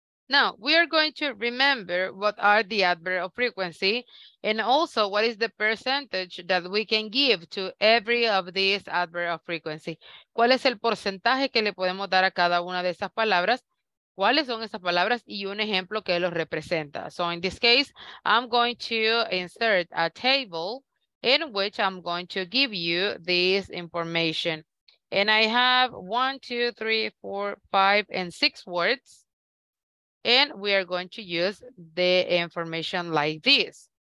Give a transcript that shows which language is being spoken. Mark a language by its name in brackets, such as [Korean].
[English] Now, we are going to remember what are the adverbs of frequency and also what is the percentage that we can give to every of these adverbs of frequency. [Spanish] ¿Cuál es el porcentaje que le podemos dar a cada una de esas palabras? ¿Cuáles son esas palabras? Y un ejemplo que los representa. [English] So in this case, I'm going to insert a table in which I'm going to give you this information. And I have 1, 2, 3, 4, 5, and 6 words. And we are going to use the information like this.